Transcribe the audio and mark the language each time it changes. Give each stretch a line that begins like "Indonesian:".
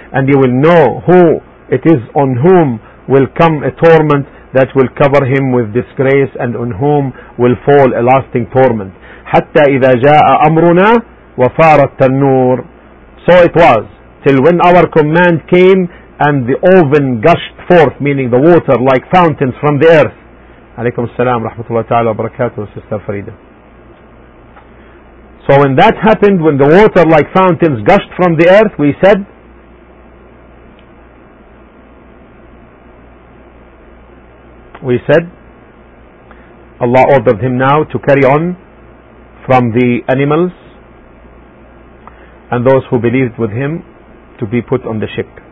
English: And you will know who it is, on whom will come a torment that will cover him with disgrace, and on whom will fall a lasting torment.
Arabic: حَتَّى إِذَا جَاءَ أَمْرُنَا وفار التنور.
English: So it was till when our command came and the oven gushed forth, meaning the water like fountains from the earth.
Arabic: عليكم السلام ورحمة الله تعالى وبركاته Sister Farida.
English: So when that happened, when the water like fountains gushed from the earth, we said, Allah ordered him now to carry on from the animals and those who believed with him to be put on the ship.